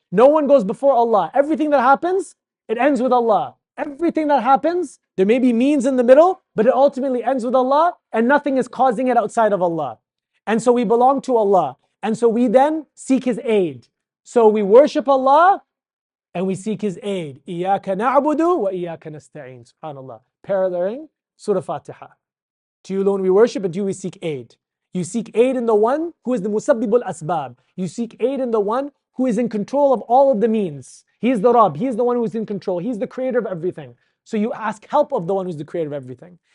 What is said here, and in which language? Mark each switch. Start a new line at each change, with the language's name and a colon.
English: No one goes before Allah. Everything that happens, it ends with Allah. Everything that happens, there may be means in the middle, but it ultimately ends with Allah, and nothing is causing it outside of Allah. And so we belong to Allah. And so we then seek His aid. So we worship Allah, and we seek His aid.
Arabic: إِيَّاكَ نَعْبُدُ وَإِيَّاكَ نَسْتَعِينَ SubhanAllah.
English: Paralleling Surah Fatiha. To you alone we worship, and to you we seek aid. You seek aid in the one who is the musabbibul asbab. You seek aid in the one who is in control of all of the means. He is the Rabb. He is the one who is in control. He is the creator of everything. So you ask help of the one who is the creator of everything.